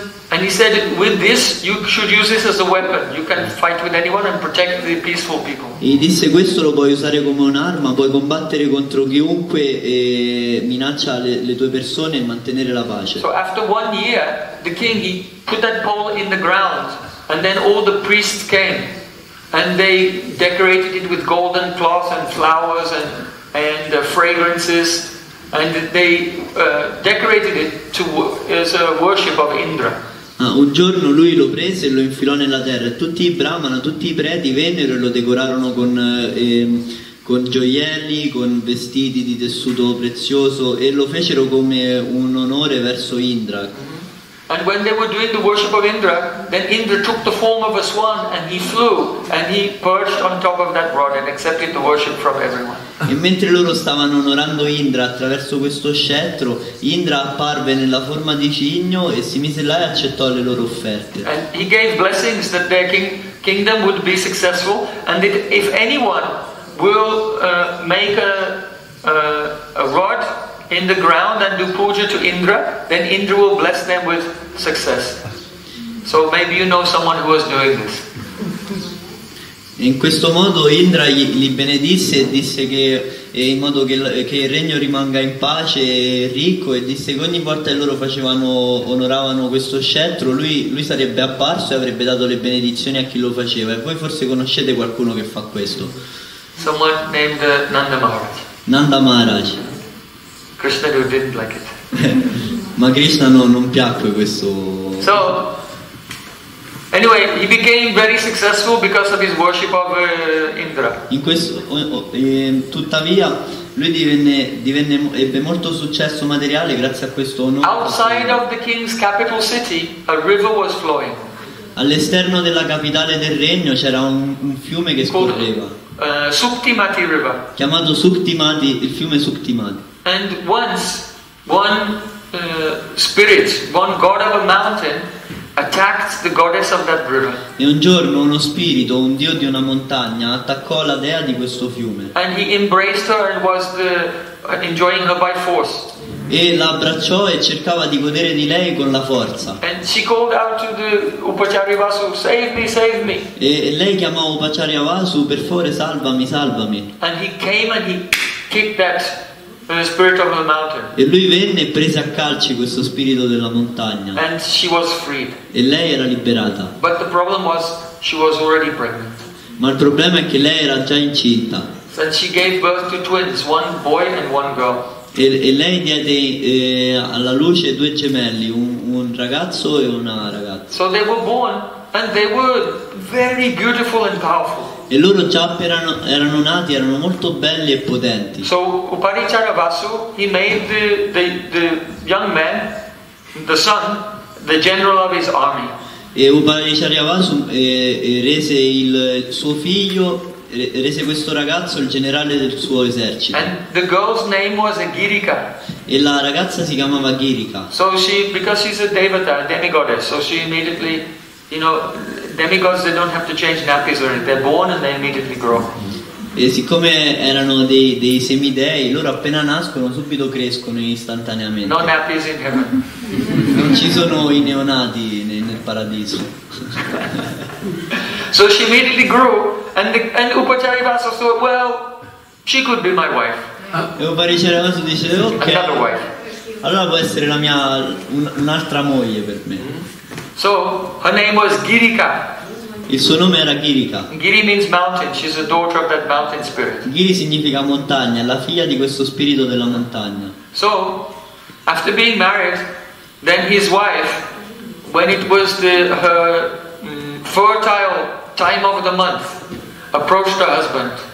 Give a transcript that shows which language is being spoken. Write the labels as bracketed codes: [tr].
[en] And he said, with this you should use this as a weapon. You can fight with anyone and protect the peaceful people. [it] E disse, questo lo puoi usare come un'arma, puoi combattere contro chiunque e minaccia le tue persone e mantenere la pace. [en] So after 1 year, the king he put that pole in the ground, and then all the priests came. And they decorated it with golden cloth and flowers and fragrances, and they decorated it to as a worship of Indra. [it] Ah, un giorno lui lo prese e lo infilò nella terra. Tutti i brahmana, tutti i preti vennero e lo decorarono con gioielli, con vestiti di tessuto prezioso e lo fecero come un onore verso Indra. [en] And when they were doing the worship of Indra, then Indra took the form of a swan and he flew and he perched on top of that rod and accepted the worship from everyone. [it] E mentre loro stavano onorando Indra attraverso questo scettro, Indra apparve nella forma di cigno e si mise là e accettò le loro offerte. [en] And he gave blessings that their kingdom would be successful and that if anyone will make a rod in the ground and do puja to Indra, then Indra will bless them with success. So maybe you know someone who was doing this. [it] In questo modo Indra li benedisse e disse che in modo che il regno rimanga in pace e ricco, e disse che ogni volta che loro onoravano questo scettro, lui sarebbe apparso e avrebbe dato le benedizioni a chi lo faceva. E voi forse conoscete qualcuno che fa questo. [en] Someone named Nanda Maharaj. Nanda Maharaj. Krishna didn't like it. [it] Ma Krishna non piacque questo. [en] So anyway, he became very successful because of his worship of Indra. [it] In questo tuttavia lui divenne ebbe molto successo materiale grazie a questo onore. [en] Outside of the king's capital city, a river was flowing. [it] All'esterno della capitale del regno c'era un fiume che scorreva. [en] Suktimati River. [it] Chiamato Suktimati, il fiume Suktimati. [en] And once one spirit, one god of a mountain, attacked the goddess of that river. [it] E un giorno uno spirito, un dio di una montagna, attaccò la dea di questo fiume. [en] And he embraced her and was enjoying her by force. [it] E la abbracciò e cercava di godere di lei con la forza. [en] And she called out to the Upacharya Vasu, save me, save me. [it] E lei chiamò Upacharya Vasu, per favore salvami, salvami. [en] And he came and he kicked that. The spirit of the mountain. [it] E lui venne e prese a calci questo spirito della montagna. [en] And she was freed. [it] E lei era liberata. [en] But the problem was she was already pregnant. [it] Ma il problema è che lei era già incinta. [en] And she gave birth to twins, one boy and one girl. [it] E lei diede alla luce due gemelli, un ragazzo e una ragazza. [en] So they were born and they were very beautiful and powerful. [it] E loro già erano nati, erano molto belli e potenti. [en] So Upacharya Vasu, he made the young man, the son, the general of his army. [it] E Upacharya Vasu rese il suo figlio, rese questo ragazzo il generale del suo esercito. [en] And the girl's name was Girika. [it] E la ragazza si chiamava Girika. [en] So she, because she's a devata, a demigoddess, so she immediately, you know, demigods, they don't have to change nappies or anything. They're born and they immediately grow. [it] E siccome erano dei semidei, loro appena nascono subito crescono istantaneamente. [en] No nappies in heaven. [it] Non ci sono i neonati nel paradiso. [en] So she immediately grew, and Upacharya Vasu thought, well, she could be my wife. [it] E Upacharya Vasu dice, ok, [en] another wife. [it] Allora può essere la mia un'altra moglie per me. [en] So her name was Girika. [it] Il suo nome era Girika. [en] Giri means mountain. She's the daughter of that mountain spirit. [it] Giri significa montagna, la figlia di questo spirito della montagna. [en] So after being married, then his wife, when it was her fertile time of the month, approached her husband.